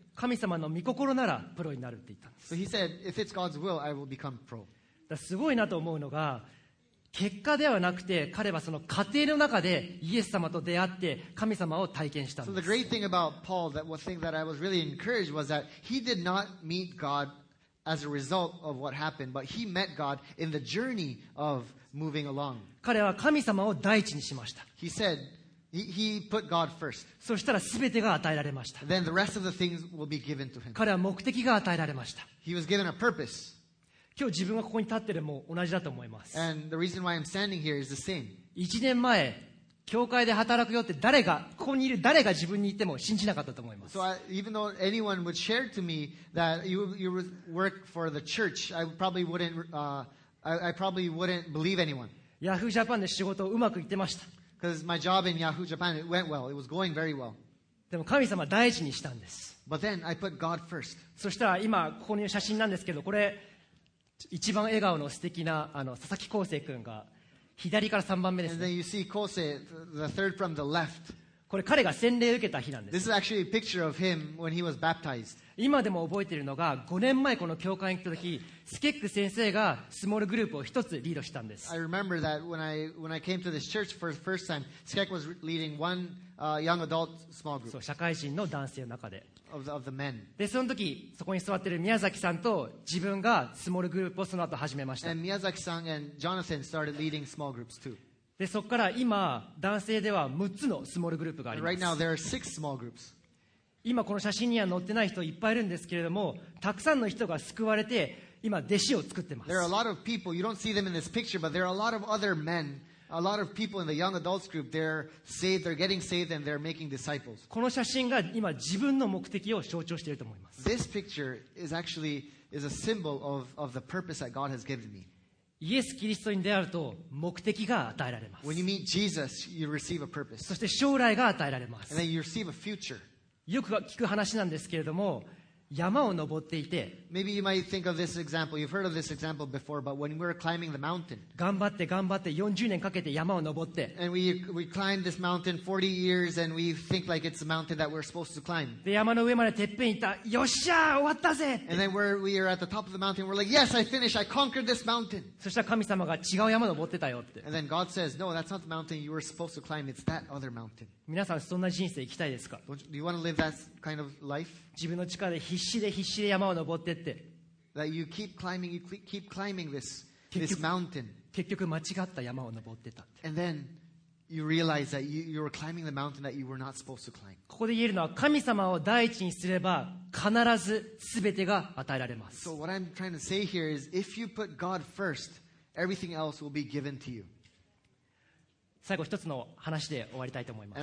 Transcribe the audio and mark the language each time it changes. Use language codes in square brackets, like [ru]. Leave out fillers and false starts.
[ja] 神様の御心ならプロになるって言ったんです。 [en] So he said, if it's God's will, I will become pro. [ja] だすごいなと思うのが、結果ではなくて、彼はその過程の中でイエス様と出会って神様を体験したんです。 [en] So the great thing about Paul, that was thing that I was really encouraged was that he did not meet God as a result of what happened, but he met God in the journey of moving along. [ja] 彼は神様を第一にしました。 [en] He said, he put God first. [ja] そしたら全てが与えられました。 [en] Then the rest of the things will be given to him. [ja] 彼は目的が与えられました。 [en] He was given a purpose. [ja] 今日自分がここに立っているも同じだと思います。 [en] And the reason why I'm standing here is the same. [ja] 1年前、教会で働くよって誰が、ここにいる誰が自分に言っても信じなかったと思います。 [en] So even though anyone would share to me that you work for the church, I probably wouldn't believe anyone. [ja] Yahoo Japan で仕事をうまくいってました。 [en] Because my job in Yahoo Japan, it went well. It was going very well. [ja] でも神様第一にしたんです。 [en] But then I put God first. [ja] そしたら今、ここにいる写真なんですけど、これ、一番笑顔の素敵な佐々木康生君が左から3番目です、ね。 [en] And then you see Kosei, the third from the left. [ja] これ彼が洗礼を受けた日なんです。 [en] This is actually a picture of him when he was baptized. [ja] 今でも覚えているのが5年前この教会に来た時、スケック先生がスモールグループを一つリードしたんです。 [en] I remember that when I came to this church for the first time, Skek was leading one young adult small group. [ja] そう、社会人の男性の中で。 [en] Of the men. [ja] でその時そこに座っている宮崎さんと自分がスモールグループをその後始めました。 [en] And Miyazaki-san and Jonathan started leading small groups too. [ja] でそこから今男性では6つのスモールグループがあります。 [en] Right now there are 6 small groups. [ja] 今この写真には載ってない人いっぱいいるんですけれども、たくさんの人が救われて今弟子を作ってます。 [en] There are a lot of people. You don't see them in this picture, but there are a lot of other men. A lot of people in the young adults group. They're saved. They're getting saved, and they're making disciples. [ja] この写真が今自分の目的を象徴していると思います。 [en] This picture is actually is a symbol of the purpose that God has given me. [ja] イエス・キリストに出会うと目的が与えられます。 [en] When you meet Jesus, you receive a purpose. [ja] そして将来が与えられます。 [en] And then you receive a future. [ja] よく聞く話なんですけれども、山を登っていて、 [en] Maybe you might think of this example. You've heard of this example before, but when we're climbing the mountain, [ja] 頑張って頑張って40年かけて山を登って、 [en] And we climb this mountain 40 years and we think like it's a mountain that we're supposed to climb. [ja] で山の上までてっぺん行った、よっしゃ終わったぜ。 [en] And then we are at the top of the mountain, we're like, yes, I finished, I conquered this mountain. [ja] そしたら神様が違う山登ってたよって。 [en] And then God says, no, that's not the mountain you were supposed to climb, it's that other mountain. [ja] 皆さんそんな人生生きたいですか？ [en] Do you want to live that kind of life? [ja] 自分の力で必死で必死で山を登ってって。 [en] That you keep climbing, you keep climbing this mountain. [ja] 結局間違った山を登ってたって。 [en] And then you realize that you were climbing the mountain that you were not supposed to climb. [ja] ここで言えるのは、神様を第一にすれば必ず全てが与えられます。 [en] So what I'm trying to say here is, if you put God first, everything else will be given to you. [ja] 最後一つの話で終わりたいと思います。